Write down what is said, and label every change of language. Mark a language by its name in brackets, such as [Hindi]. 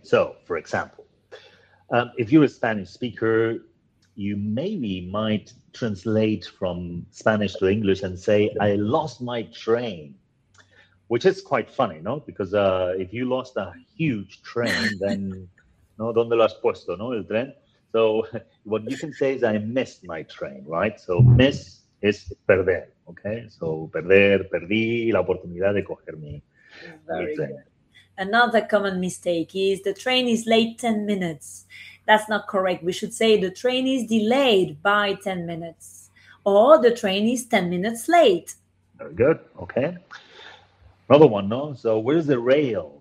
[English] So, for example, if you're a Spanish speaker, you maybe might translate from Spanish to English and say, I lost my train, which is quite funny, no? Because if you lost a huge train, then, no, [Spanish] ¿dónde lo has puesto, no, el tren? [English] So what you can say is, I missed my train, right? So miss is perder, okay? [Spanish] So perder, perdí la oportunidad de coger mi [English] train. Another common mistake is, the train is late 10 minutes. That's not correct. We should say the train is delayed by 10 minutes, or the train is 10 minutes late. Very good. Okay. Another one, no? So where's the rail?